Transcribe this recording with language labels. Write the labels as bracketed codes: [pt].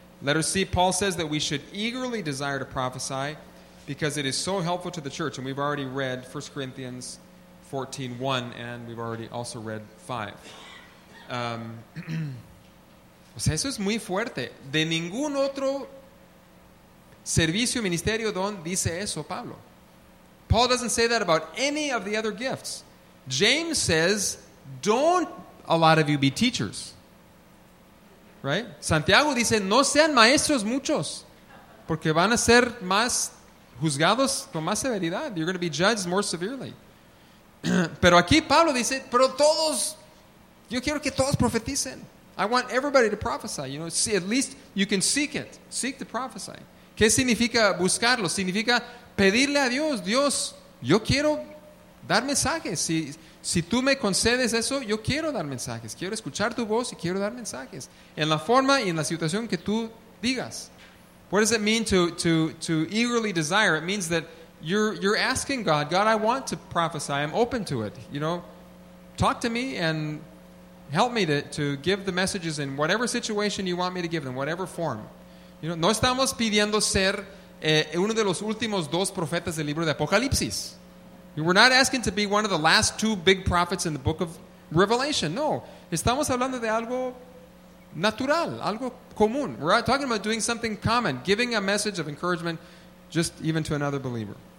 [en] Letter C, Paul says that we should eagerly desire to prophesy because it is so helpful to the church. And we've already read 1 Corinthians 14:1, and we've already also read 5. [es] O sea, eso es muy fuerte. De ningún otro servicio, ministerio, don dice eso Pablo. [en] Paul doesn't say that about any of the other gifts. James says, don't a lot of you be teachers. Right? [es] Santiago dice, no sean maestros muchos, porque van a ser más juzgados con más severidad. [en] You're going to be judged more severely. [es] Pero aquí Pablo dice, pero todos... Yo quiero que todos profeticen. [en] I want everybody to prophesy. You know, see, at least you can seek it. Seek to prophesy. [es] ¿Qué significa buscarlo? Significa pedirle a Dios, Dios, yo quiero dar mensajes. Si tú me concedes eso, yo quiero dar mensajes. Quiero escuchar tu voz y quiero dar mensajes. En la forma y en la situación que tú digas. [en] What does it mean to eagerly desire? It means that you're asking God, God, I want to prophesy. I'm open to it. You know, talk to me and... help me to give the messages in whatever situation you want me to give them, whatever form. You know, [es] no estamos pidiendo ser uno de los últimos dos profetas del libro de Apocalipsis. [en] We're not asking to be one of the last two big prophets in the book of Revelation. [es] No, estamos hablando de algo natural, algo común. [en] We're talking about doing something common, giving a message of encouragement just even to another believer.